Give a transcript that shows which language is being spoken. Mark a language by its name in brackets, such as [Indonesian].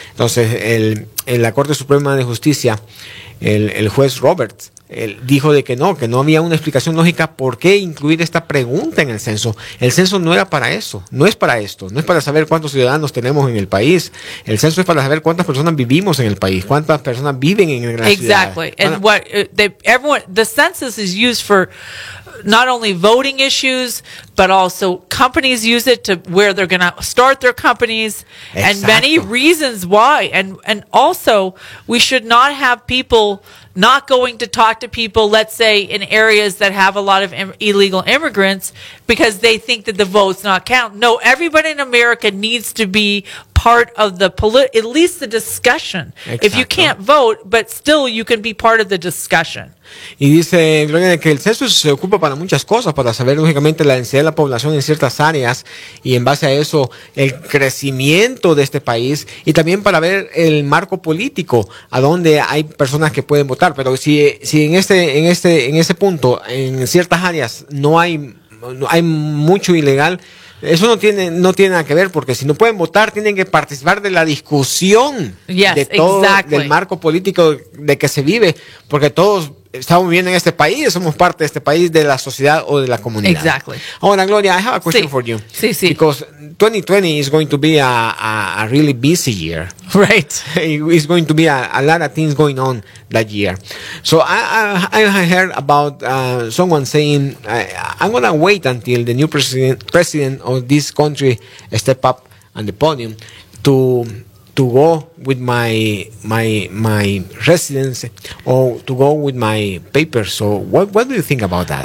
[Spanish] Entonces, en la Corte Suprema de Justicia, el juez Roberts, él dijo de que no había una explicación lógica por qué incluir esta pregunta en el censo. El censo no era para eso, no es para esto, no es para saber cuántos ciudadanos tenemos en el país. El censo es para saber cuántas personas vivimos en el país, cuántas personas viven en la ciudad. [English] Exactly. And what the census is used for, not only voting issues, but also companies use it to where they're going to start their companies. [Spanish] Exacto. [English] And many reasons why. And also, we should not have people not going to talk to people, let's say, in areas that have a lot of illegal immigrants because they think that the votes not count. No, everybody in America needs to be part of the at least the discussion. [Spanish] Exacto. [English] If you can't vote, but still you can be part of the discussion. [Spanish] Y dice Gloria que el censo se ocupa para muchas cosas, para saber lógicamente la densidad de la población en ciertas áreas y en base a eso el crecimiento de este país y también para ver el marco político a donde hay personas que pueden votar. Pero si en ese punto, en ciertas áreas no hay mucho ilegal, eso no tiene nada que ver, porque si no pueden votar, tienen que participar de la discusión de todo, del marco político de que se vive, porque todos estamos viviendo en este país, somos parte de este país, de la sociedad o de la comunidad. [English] Exactly. [Spanish] Ahora, [English] Gloria, I have a question for you. [Spanish] Sí, sí. [English] Because 2020 is going to be a really busy year. Right. It's going to be a lot of things going on that year. So I heard about someone saying, I'm going to wait until the new president of this country step up on the podium to go with my residence or to go with my papers. So what do you think about that?